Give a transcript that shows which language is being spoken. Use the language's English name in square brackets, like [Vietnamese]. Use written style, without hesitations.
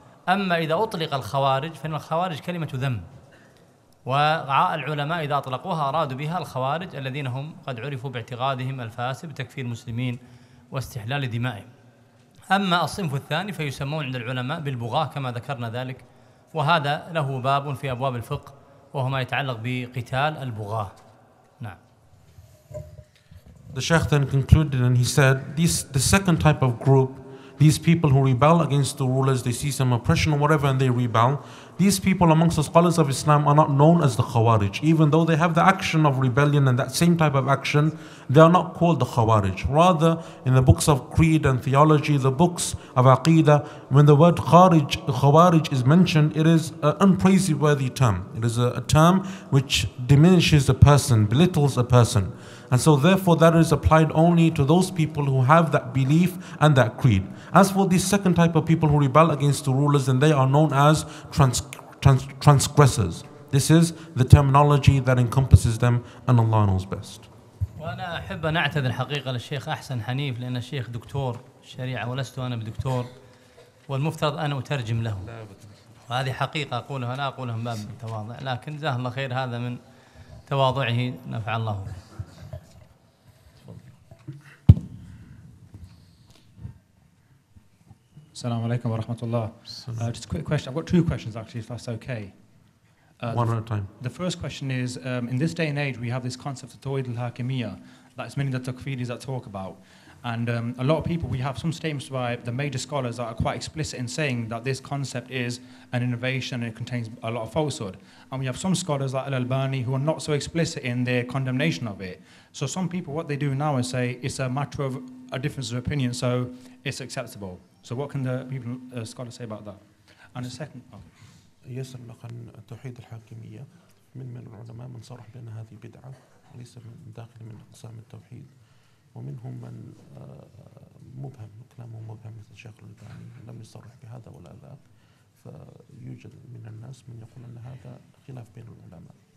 [Arabic] أما إذا أطلق الخوارج فإن الخوارج كلمة ذم، وغاء العلماء إذا أطلقوها أرادوا بها الخوارج الذين هم قد عرفوا باعتقادهم الفاسد بتكفير المسلمين واستحلال دمائهم. أما الصنف الثاني فيسمون عند العلماء بالبغاة كما ذكرنا ذلك، وهذا له باب في أبواب الفقه وهو ما يتعلق بقتال البغاة. [English] The Shaykh then concluded and he said, the second type of group, these people who rebel against the rulers, they see some oppression or whatever and they rebel. These people amongst the scholars of Islam are not known as the Khawarij. Even though they have the action of rebellion and that same type of action, they are not called the Khawarij. Rather, in the books of creed and theology, the books of Aqidah, when the word Khawarij is mentioned, it is an unpraiseworthy term. It is a term which diminishes a person, belittles a person. And so therefore that is applied only to those people who have that belief and that creed. As for the second type of people who rebel against the rulers, then they are known as transgressors. This is the terminology that encompasses them, and Allah knows best. [Arabic] وأنا أحب أن أعتذر حقيقة للشيخ أحسن حنيف، لأن الشيخ دكتور شريعة ولست أنا بدكتور، والمفترض أنا أترجم له، وهذه حقيقة أقولها لا أقولها من باب التواضع، لكن جزاه الله خير هذا من تواضعه نفع الله. [English] Assalamu alaikum wa rahmatullah. Just a quick question. I've got two questions actually, if that's okay. One at a time. The first question is, in this day and age, we have this concept of Tawhid al-Hakimiyya, that's many of the takfiris that talk about. And a lot of people, we have some statements by the major scholars that are quite explicit in saying that this concept is an innovation and it contains a lot of falsehood. And we have some scholars like Al-Albani who are not so explicit in their condemnation of it. So some people, what they do now is say it's a matter of a difference of opinion, so it's acceptable. So what can the people, scholars say about that? And a second. [Arabic] Yes, لقد توحيد الحاكمية من العلماء من صرح بأن هذه بدعة وليس من داخل من أقسام التوحيد. ومنهم من مبهم كلامه مبهم مثل الشيخ الألباني لم يصرح بهذا ولا ذاك فيوجد من الناس من يقول أن هذا خلاف بين العلماء.